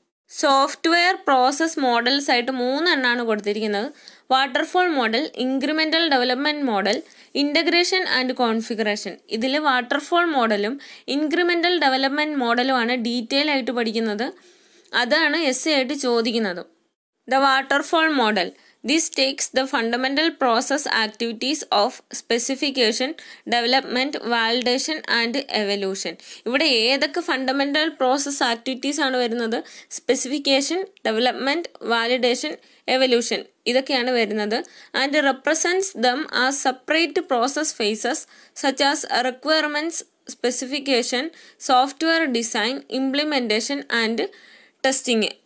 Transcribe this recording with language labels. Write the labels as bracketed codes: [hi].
[ml] Software process models ആയിട്ട് മൂന്നെണ്ണമാണ് കൊടുത്തിരിക്കുന്നത്. [en] Waterfall model, incremental development model, integration and configuration. [ml] ഇതിൽ വാട്ടർഫാൾ മോഡലും ഇൻക്രിമെൻ്റൽ ഡെവലപ്മെൻറ്റ് മോഡലുമാണ് ഡീറ്റെയിൽ ആയിട്ട് പഠിക്കുന്നത്. അതാണ് എസ് എ ആയിട്ട് ചോദിക്കുന്നതും. [en] The waterfall model: This takes the fundamental process activities of specification, development, validation and evolution. [ml] ഇവിടെ ഏതൊക്കെ ഫണ്ടമെൻ്റൽ പ്രോസസ് ആക്ടിവിറ്റീസ് ആണ് വരുന്നത്? [en] specification, development, validation, evolution, [ml] ഇതൊക്കെയാണ് വരുന്നത്. [en] And represents them a separate process phases such as requirements, specification, software design, implementation and testing.